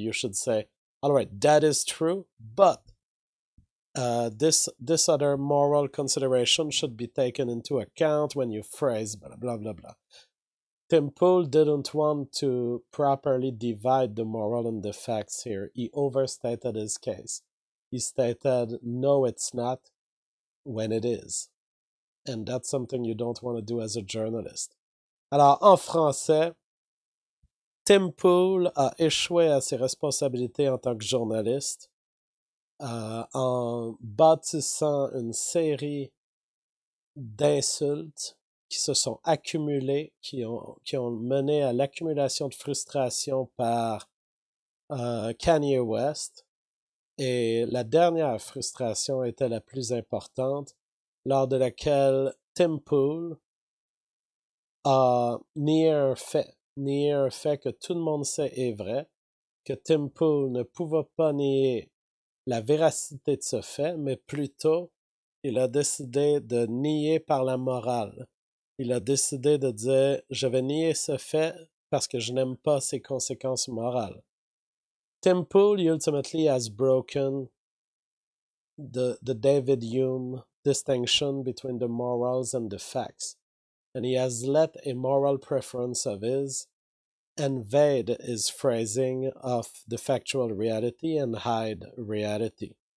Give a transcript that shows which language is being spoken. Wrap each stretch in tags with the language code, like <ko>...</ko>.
<en>You should say, all right, that is true, but this other moral consideration should be taken into account when you phrase blah, blah, blah, blah. Tim Pool didn't want to properly divide the moral and the facts here. He overstated his case. He stated, no, it's not, when it is. And that's something you don't want to do as a journalist.</en> <fr>Alors, en français, Tim Pool a échoué à ses responsabilités en tant que journaliste en bâtissant une série d'insultes qui se sont accumulées, qui ont mené à l'accumulation de frustration par Kanye West. Et la dernière frustration était la plus importante, lors de laquelle Tim Pool a nié un fait que tout le monde sait est vrai, que Tim Pool ne pouvait pas nier la véracité de ce fait, mais plutôt, il a décidé de nier par la morale. Il a décidé de dire, je vais nier ce fait parce que je n'aime pas ses conséquences morales.</fr> <en>Tim Pool, ultimately, has broken the David Hume distinction between the morals and the facts. And he has let a moral preference of his invade his phrasing of the factual reality and hide reality.</en>